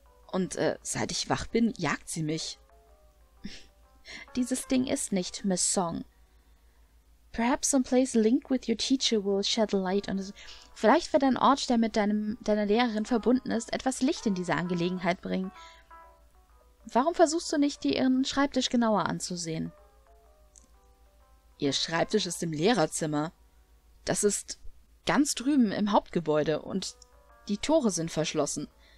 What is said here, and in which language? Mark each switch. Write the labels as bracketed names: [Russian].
[German] Und seit ich wach bin, jagt sie mich. Dieses Ding ist nicht Miss Song. [English] Perhaps some place linked with your teacher will shed light on this. [German] Vielleicht wird ein Ort, der mit deiner Lehrerin verbunden ist, etwas Licht in diese Angelegenheit bringen. Warum versuchst du nicht, dir ihren Schreibtisch genauer anzusehen? Ihr Schreibtisch ist im Lehrerzimmer. Das ist ganz drüben im Hauptgebäude und die Tore sind verschlossen.